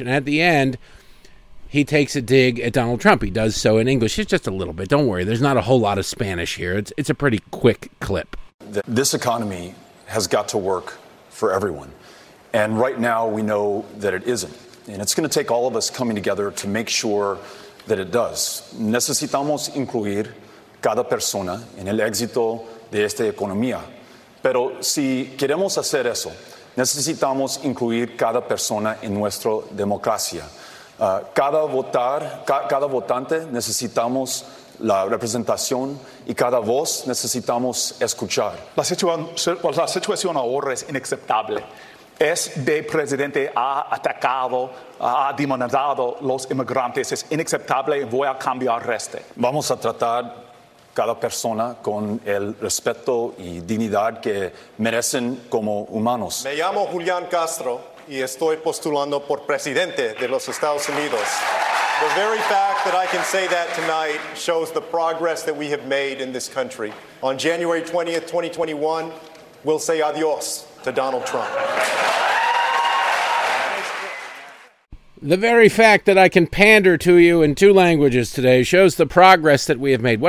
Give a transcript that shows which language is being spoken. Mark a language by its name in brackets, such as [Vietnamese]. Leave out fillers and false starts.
[English] And at the end, he takes a dig at Donald Trump. He does so in English. It's just a little bit. Don't worry. There's not a whole lot of Spanish here. It's a pretty quick clip. This economy has got to work for everyone. And right now we know that it isn't. And it's going to take all of us coming together to make sure that it does. [Spanish] Necesitamos incluir cada persona en el éxito de esta economía. Pero si queremos hacer eso, necesitamos incluir cada persona en nuestra democracia. Cada votante necesitamos la representación y cada voz necesitamos escuchar. La situación ahora es inaceptable. Este presidente ha atacado, ha demonizado los inmigrantes. Es inaceptable y voy a cambiar este. Vamos a tratar cada persona con el respeto y dignidad que merecen como humanos. Me llamo Julián Castro y estoy postulando por presidente de los Estados Unidos. [English] The very fact that I can say that tonight shows the progress that we have made in this country. On January 20th, 2021, we'll say adios to Donald Trump. The very fact that I can pander to you in two languages today shows the progress that we have made.